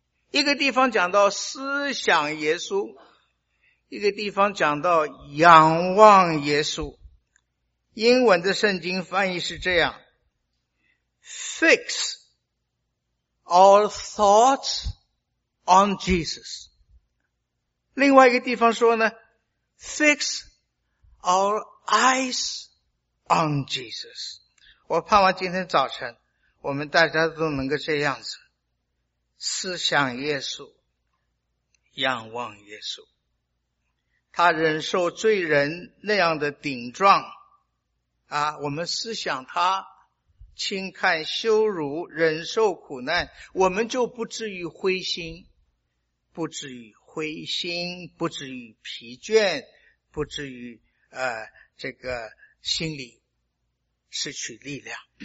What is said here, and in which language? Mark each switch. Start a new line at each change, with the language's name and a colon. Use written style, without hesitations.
Chinese: 一个地方讲到思想耶稣，一个地方讲到仰望耶稣。英文的圣经翻译是这样：
English: Fix our thoughts on Jesus。
Chinese: 另外一个地方说呢，
English: Fix our eyes on Jesus。
Chinese: 我盼望今天早晨我们大家都能够这样子思想耶稣，仰望耶稣。他忍受罪人那样的顶撞啊，我们思想他，轻看羞辱，忍受苦难，我们就不至于灰心，不至于灰心，不至于疲倦，不至于这个心里失去力量。